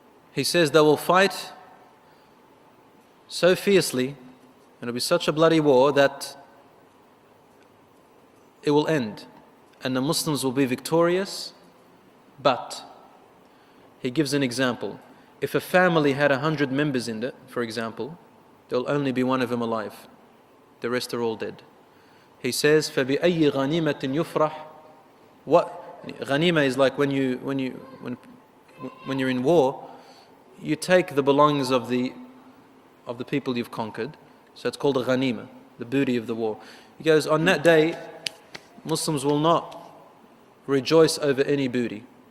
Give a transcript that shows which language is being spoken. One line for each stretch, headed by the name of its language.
English: He says they will fight so fiercely, and it'll be such a bloody war that it will end. And the Muslims will be victorious. But he gives an example. If a family had 100 members in it, for example, there'll only be one of them alive. The rest are all dead. He says,
Arabic: فَبِأَيِّ غَنِيمَةٍ يُفْرَحْ.
English: What غَنِيمَة is like when you're in war, you take the belongings of the people you've conquered. So it's called a غَنِيمَة, the booty of the war. He goes, on that day, Muslims will not rejoice over any booty.